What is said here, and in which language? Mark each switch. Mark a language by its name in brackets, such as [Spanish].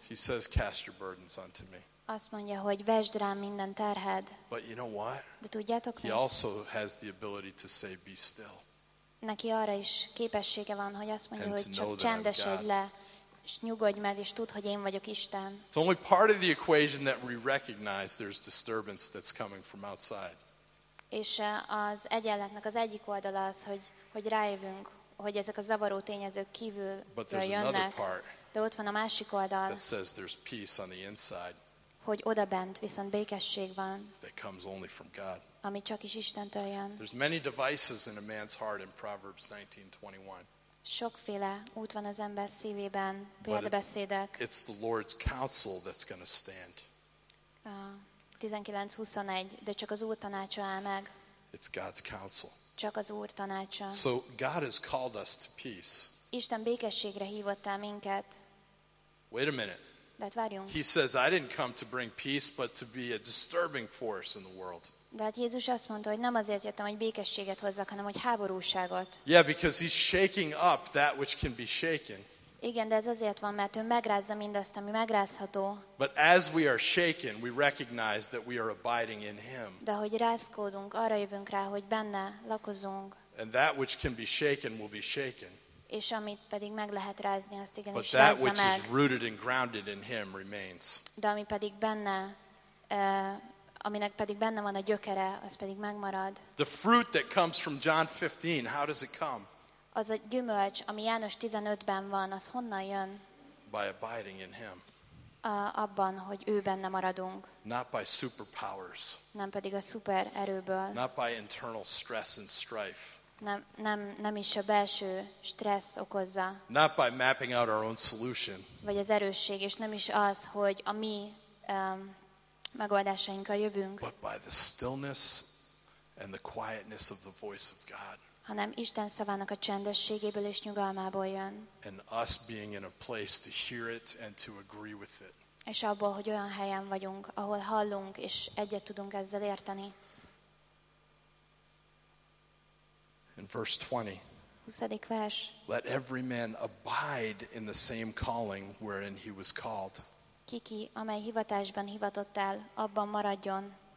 [English] He says, cast your burdens unto me. [Hungarian] Azt mondja, hogy vesd rám minden terhed. [English] But you know what? [Hungarian] De tudjátok mi? [English] He also has the ability to say, be still. [Hungarian] Neki arra is képessége van, hogy azt mondja, hogy csak csendesedj le. És nyugodj meg, és tudd, hogy én vagyok Isten. [English] It's only part of the equation that we recognize there's disturbance that's coming from outside. [Hungarian] És az egyenletnek az egyik oldala az, hogy rájövünk, hogy ezek a zavaró tényezők kívül jönnek. De ott van a másik oldal, [English] that says there's peace on the inside. [Hungarian] Hogy odabent viszont békesség van. [English] That comes only from God. [Hungarian] Ami csak is Istentől jön. [English] There's many devices in a man's heart in Proverbs 19:21. [Hungarian] Sokféle út van az ember szívében, példabeszédek. [English] It's the Lord's counsel that's going to stand. [Hungarian] 19:21, de csak az Úr tanácsa áll meg. [English] It's God's counsel. [Hungarian] Csak az Úr tanácsa. [English] So God has called us to peace. [Hungarian] Isten békességre hívott el minket. [English] Wait a minute. [Hungarian] De hát várjunk. [English] He says, I didn't come to bring peace, but to be a disturbing force in the world. [Hungarian] De hát Jézus azt mondta, hogy nem azért jöttem, hogy békességet hozzak, hanem hogy háborúságot. [English] Yeah, because he's shaking up that which can be shaken. [Hungarian] Igen, de ez azért van, mert ő megrázza mindazt, ami megrázható. [English] But as we are shaken, we recognize that we are abiding in him. [Hungarian] De hogy rázkódunk, arra jövünk rá, hogy benne lakozunk. [English] And that which can be shaken will be shaken. [Hungarian] És amit pedig meg lehet rázni, azt igenis [English] that [Hungarian] meg. [English] Which is rooted and grounded in him remains. [Hungarian] De ami pedig benne aminek pedig benne van a gyökere, az pedig megmarad. [English] The fruit that comes from John 15, how does it come? [Hungarian] Az a gyümölcs, ami János 15-ben van, az honnan jön? [English] By abiding in him. [Hungarian] Abban, hogy ő benne maradunk. [English] Not by superpowers. [Hungarian] Nem pedig a szuper erőből. [English] Not by internal stress and strife. [Hungarian] Nem is a belső stressz okozza. [English] Not by mapping out our own solution. [Hungarian] Vagy az erősség, és nem is az, hogy a mi megoldásainkkal jövünk. [English] But by the stillness and the quietness of the voice of God. [Hungarian] Hanem Isten szavának a csendességéből és nyugalmából jön. [English] And us being in a place to hear it and to agree with it. [Hungarian] És abból, hogy olyan helyen vagyunk, ahol hallunk és egyet tudunk ezzel érteni. [English] In verse 20. [Hungarian] 20. vers. [English] Let every man abide in the same calling wherein he was called. [Hungarian] Kiki, amely hivatásban hivatott el, abban maradjon.